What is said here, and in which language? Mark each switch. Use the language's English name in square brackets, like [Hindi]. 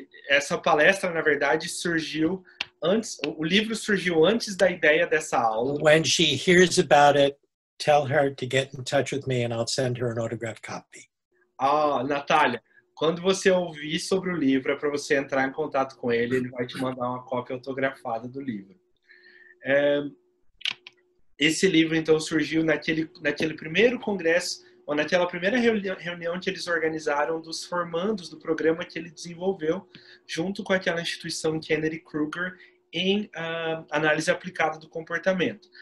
[Portuguese] essa palestra, na verdade, surgiu antes, o livro surgiu antes da ideia dessa aula. [English] When she hears about it, tell her to get in touch with me and I'll send her an autographed copy. [Portuguese] Ah, Natália, quando você ouvir sobre o livro, é para você entrar em contato com ele, ele vai te mandar uma cópia autografada do livro. Esse livro, então, surgiu naquele primeiro congresso, naquela primeira reunião que eles organizaram dos formandos do programa que ele desenvolveu junto com aquela instituição Kennedy Kruger em análise aplicada do comportamento.